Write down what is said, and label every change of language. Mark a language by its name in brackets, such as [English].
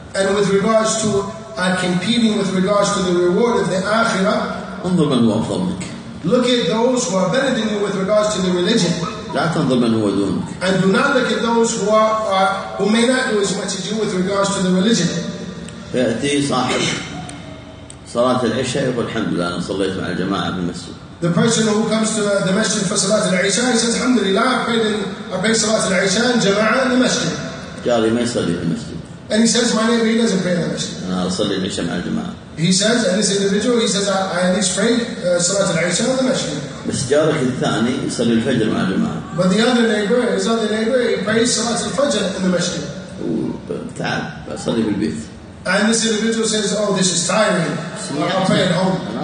[English] And with regards to competing with regards to the reward of the آخرة. [Arabic] انظر من هو أفضل منك. [English] Look at those who are better than you with regards to the religion. [Arabic] لا تنظر من هو دونك. [English] And do not look at those who may not do as much as you with regards to the religion. [Arabic] يأتي صاحب. صلاة العشاء يقول الحمد لله أنا صليت مع الجماعة في المسجد. [English] The person who comes to the masjid for صلاة العشاء says [Arabic] الحمد لله [English] I prayed [Arabic] صلاة العشاء جماعة [English] in the masjid. [Arabic] جاري ما يصلي في المسجد. [English] And he says my neighbor he doesn't pray in the masjid. [Arabic] أنا أصلي العشاء مع الجماعة. [English] He says and this individual he says I at least prayed صلاة العشاء in the masjid. [Arabic] بس جارك الثاني يصلي الفجر مع الجماعة. [English] But the other neighbor his other neighbor he prays صلاة الفجر in the masjid. [Arabic] تعب بصلي في البيت. [English] And this individual says, oh, this is tiring. I'll pray at home.